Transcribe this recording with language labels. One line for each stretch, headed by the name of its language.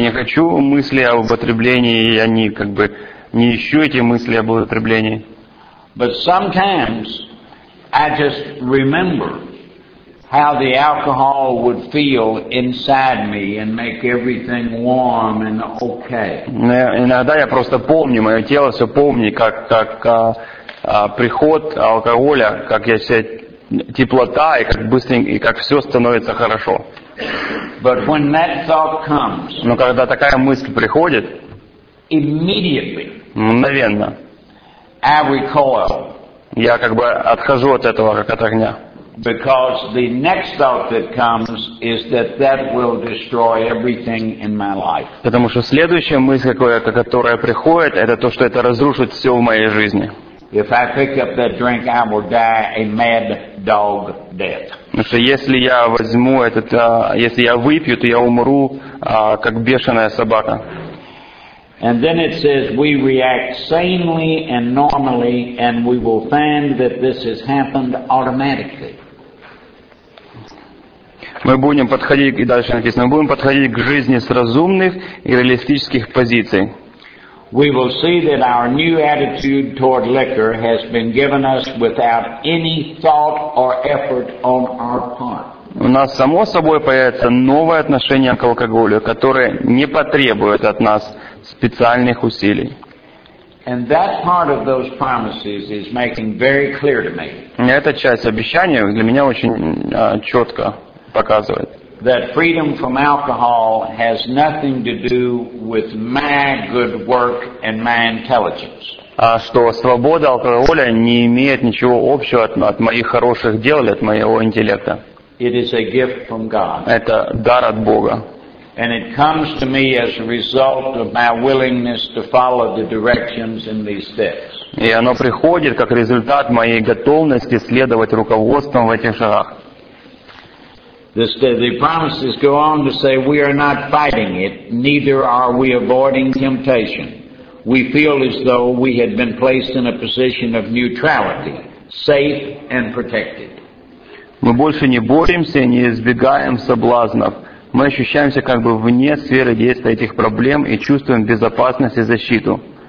Russian: не хочу мысли об употреблении, я не, как бы, не ищу эти мысли об употреблении.
English: But sometimes I just remember how the alcohol would feel inside me and make everything warm and okay.
Russian: Иногда я просто помню, мое тело все помнит, как приход алкоголя, как я себя теплота и как быстренько и как все становится хорошо.
English: But when that thought comes,
Russian: но когда такая мысль приходит,
English: immediately,
Russian: мгновенно,
English: I recoil.
Russian: Я как бы отхожу от этого, как от огня.
English: Because the next thought that comes is that that will destroy everything in my life.
Russian: Потому что следующая мысль, которая приходит, это то, что это разрушит все в моей жизни.
English: If I pick up that drink, I will die a mad dog death.
Russian: Потому что если я возьму этот, если я выпью, то я умру как бешеная собака.
English: And then it says we react sanely and normally, and we will find that this has happened automatically.
Russian: Мы будем подходить, и дальше написано, мы будем подходить к жизни с разумных и реалистических позиций.
English: We will see that our new attitude toward liquor has been given us without any thought or effort on our part.
Russian: У нас само собой появится новое отношение к алкоголю, которое не потребует от нас специальных усилий.
English: And that part of those promises is making very clear to me.
Russian: Эта часть обещания для меня очень четко показывает.
English: That freedom from alcohol has nothing to do with my good work and my intelligence.
Russian: А что свобода алкоголя не имеет ничего общего от моих хороших дел или от моего интеллекта.
English: It is a gift from God.
Russian: Это дар от Бога.
English: And it comes to me as a result of my willingness to follow the directions in these steps.
Russian: И оно приходит как результат моей готовности следовать руководствам в этих шагах.
English: The promises go on to say we are not fighting it, neither are we avoiding temptation. We feel as though we had been placed in a position of neutrality, safe and protected.
Russian: Мы больше не боремся, не избегаем соблазнов. Мы ощущаемся как бы вне сферы действия этих проблем и чувствуем безопасность и защиту.